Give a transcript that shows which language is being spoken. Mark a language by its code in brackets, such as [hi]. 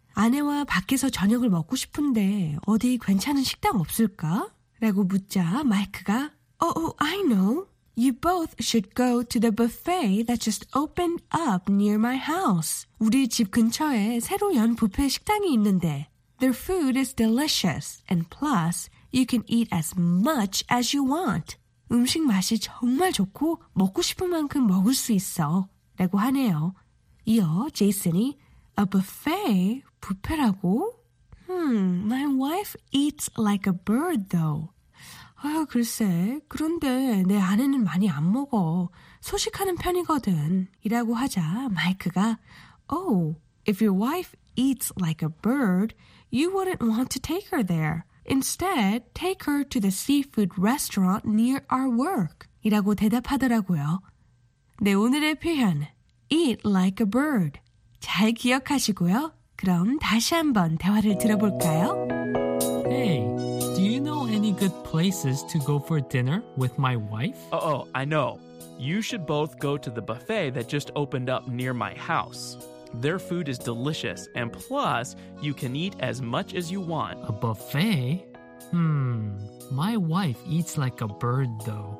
[ko] 아내와 밖에서 저녁을 먹고 싶은데 어디 괜찮은 식당 없을까? 라고 묻자 마이크가 [en] I know. You both should go to the buffet that just opened up near my house. [ko] 우리 집 근처에 새로 연 뷔페 식당이 있는데 [en] Their food is delicious. And plus, you can eat as much as you want. [ko] 음식 맛이 정말 좋고 먹고 싶은 만큼 먹을 수 있어. 라고 하네요. 이어 제이슨이 [en] A buffet? [ko] 뷔페라고? [en] My wife eats like a bird, though. [ko] 아, 글쎄, 그런데 내 아내는 많이 안 먹어. 소식하는 편이거든. 이라고 하자 마이크가 [en] Oh, if your wife eats like a bird, you wouldn't want to take her there. Instead, take her to the seafood restaurant near our work. [ko] 이라고 대답하더라고요. 네, 오늘의 표현 [en] Eat like a bird. [ko] 잘 기억하시고요. 그럼 다시 한번 대화를 들어볼까요? [en] Hey, do you know any good places to go for dinner with my wife? Oh, I know. You should both go to the buffet that just opened up near my house. Their food is delicious, and plus, you can eat as much as you want. A buffet? My wife eats like a bird, though.